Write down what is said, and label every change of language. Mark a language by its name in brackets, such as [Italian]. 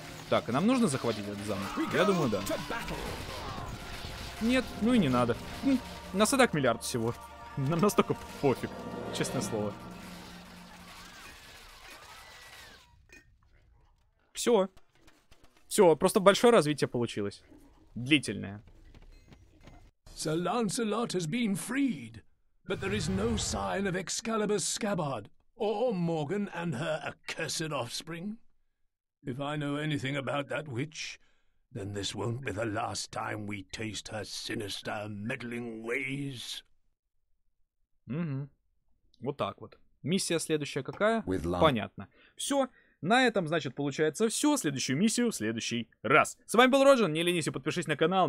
[Russian] Так, и нам нужно захватить этот замок? Я думаю, да. Нет, ну и не надо. Нас и так миллиард всего. Нам настолько пофиг, честное слово. Все. Все, просто большое развитие получилось. Длительное. [English] Sir Lancelot has been freed, but there is no sign of Excalibur's scabbard or Morgan and her accursed offspring. If I know anything about that witch, then this won't be the last time we taste her sinister meddling ways. [Russian] Вот так вот. Миссия следующая какая? Понятно. Все. На этом, значит, получается все. Следующую миссию в следующий раз. С вами был Роджин. Не ленись и подпишись на канал.